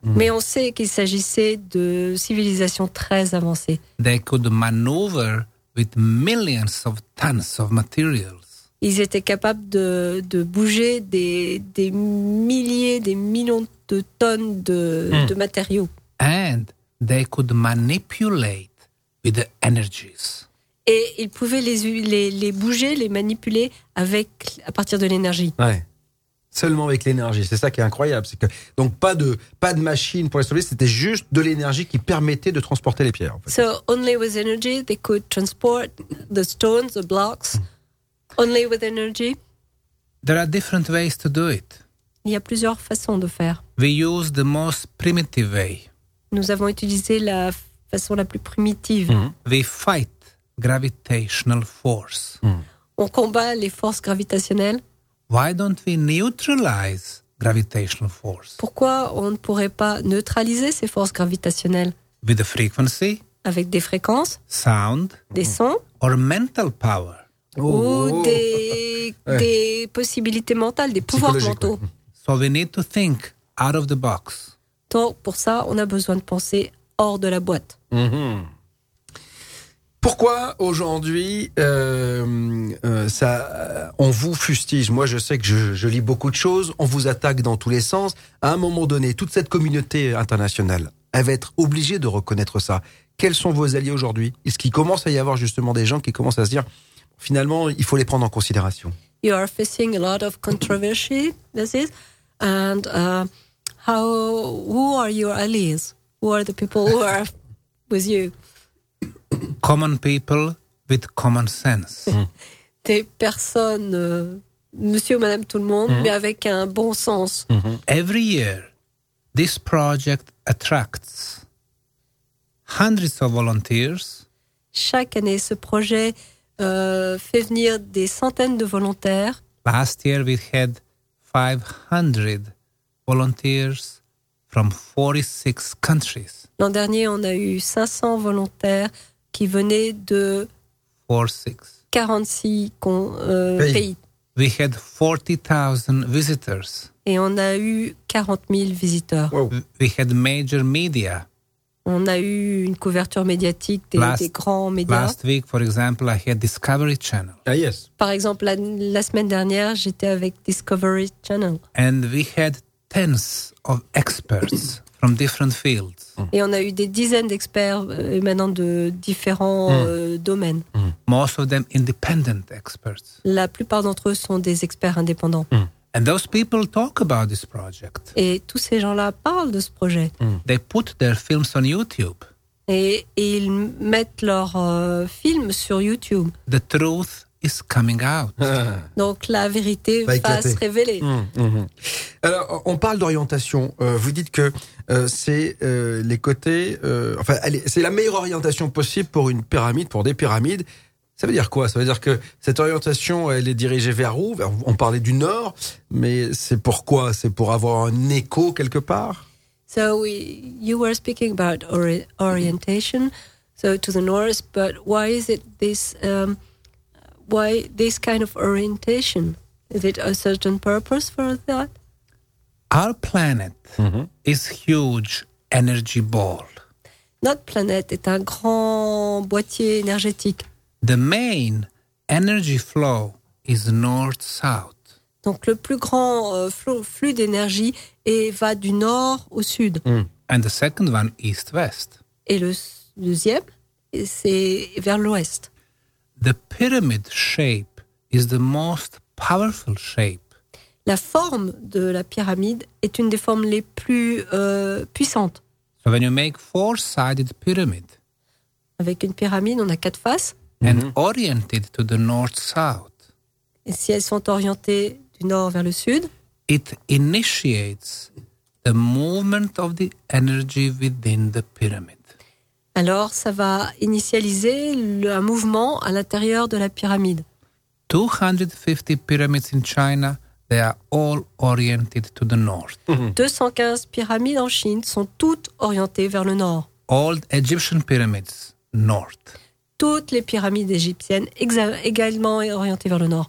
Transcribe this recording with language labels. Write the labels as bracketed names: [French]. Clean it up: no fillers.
[French] Mais on sait qu'il s'agissait de civilisations très avancées. [English] They could maneuver with millions of tons of materials. [French] Ils étaient capables de bouger des milliers, des millions de tonnes de matériaux. [English] And they could manipulate with the energies. [French] et il pouvait les bouger, les manipuler avec, à partir de l'énergie. Ouais. Seulement avec l'énergie, c'est ça qui est incroyable. C'est que, donc pas de machine pour les soulever, c'était juste de l'énergie qui permettait de transporter les pierres. En fait. [English] So only with energy they could transport the stones, the blocks. Only with energy. There are different ways to do it. [French] Il y a plusieurs façons de faire. [English] We use the most primitive way. [French] Nous avons utilisé la façon la plus primitive. [English] Mm-hmm. We fight gravitational force. [French] Mm. On combat les forces gravitationnelles. [English] Why don't we neutralize gravitational force? [French] Pourquoi on ne pourrait pas neutraliser ces forces gravitationnelles? [English] With a frequency. [French] Avec des fréquences. [English] Sound. [French] Des sons. [English] Or mental power. [French] Ou des possibilités mentales, des pouvoirs mentaux. [English] So we need to think out of the box. [French] Donc, pour ça, on a besoin de penser hors de la boîte. Mm-hmm. Pourquoi aujourd'hui, ça, on vous fustige? Moi, je sais que je lis beaucoup de choses, on vous attaque dans tous les sens. À un moment donné, toute cette communauté internationale, elle va être obligée de reconnaître ça. Quels sont vos alliés aujourd'hui? Est-ce qu'il commence à y avoir justement des gens qui commencent à se dire, finalement, il faut les prendre en considération? [English] You are facing a lot of controversy, this is, and... Who are your allies? Who are the people who are with you? Common people with common sense. Mm. [French] Des personnes, monsieur, madame, tout le monde, mais avec un bon sens. Mm-hmm. [English] Every year, this project attracts hundreds of volunteers. [French] Chaque année, ce projet fait venir des centaines de volontaires. [English] Last year, we had 500 volunteers from 46 countries. [French] L'an dernier, on a eu 500 volontaires qui venaient de 46 pays. [English] We had 40,000 visitors. [French] Et on a eu 40 000 visiteurs. [English] Wow. We had major media. [French] On a eu une couverture médiatique des grands médias. [English] Last week, for example, I had Discovery Channel. Yes. [French] Par exemple, la semaine dernière, j'étais avec Discovery Channel. [English] And we had tens of experts from different fields. [French] Et on a eu des dizaines d'experts émanant de différents domaines. [English] Mm. Most of them independent experts. [French] La plupart d'entre eux sont des experts indépendants. Mm. [English] And those people talk about this project. [French] Et tous ces gens-là parlent de ce projet. [English] Mm. They put their films on YouTube. [French] Et ils mettent leurs films sur YouTube. [English] The truth is coming out. [French] Donc la vérité va se révéler. Alors, on parle d'orientation. Vous dites que c'est les côtés. C'est la meilleure orientation possible pour une pyramide, pour des pyramides. Ça veut dire quoi? Ça veut dire que cette orientation, elle est dirigée vers où? On parlait du nord, mais c'est pourquoi? C'est pour avoir un écho quelque part? [English] So you were speaking about orientation, so to the north, but why is it this? Why this kind of orientation? Is it a certain purpose for that? Our planet is huge energy ball. [French] Notre planète est un grand boîtier énergétique. [English] The main energy flow is north-south. [French] Donc le plus grand flux d'énergie va du nord au sud. [English] Mm. And the second one, east-west. [French] Et le deuxième, c'est vers l'ouest. [English] The pyramid shape is the most powerful shape. [French] La forme de la pyramide est une des formes les plus puissantes. [English] So when you make four-sided pyramid, [French] avec une pyramide, on a quatre faces. [English] And oriented to the north-south. [French] Et si elles sont orientées du nord vers le sud, [English] it initiates the movement of the energy within the pyramid. [French] Alors, ça va initialiser un mouvement à l'intérieur de la pyramide. [English] 250 pyramids in China, they are all oriented to the north. [French] 215 pyramides en Chine sont toutes orientées vers le nord. [English] Old Egyptian pyramids, north. [French] Toutes les pyramides égyptiennes également orientées vers le nord.